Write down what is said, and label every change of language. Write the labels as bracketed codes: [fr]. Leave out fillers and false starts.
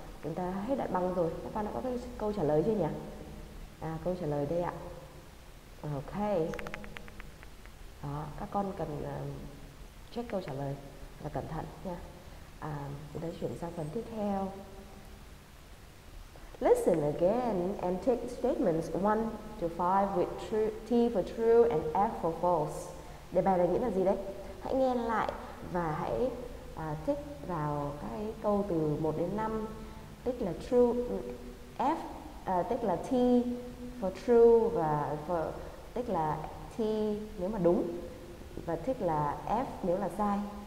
[vi] Chúng ta hết đoạn băng rồi. Các bạn đã có cái câu trả lời chưa nhỉ? Câu trả lời đây ạ. Okay. Đó, các con cần check câu trả lời và cẩn thận nha. Chúng ta chuyển sang phần tiếp theo. [en] Listen again and take statements 1 to 5 with true, T for true and F for false. [vi] Đề bài này nghĩa là gì đấy? Hãy nghe lại và hãy tích vào cái câu từ 1 đến 5. Tích là true, F tích là T for true và for, tích là T nếu mà đúng và tích là F nếu là sai.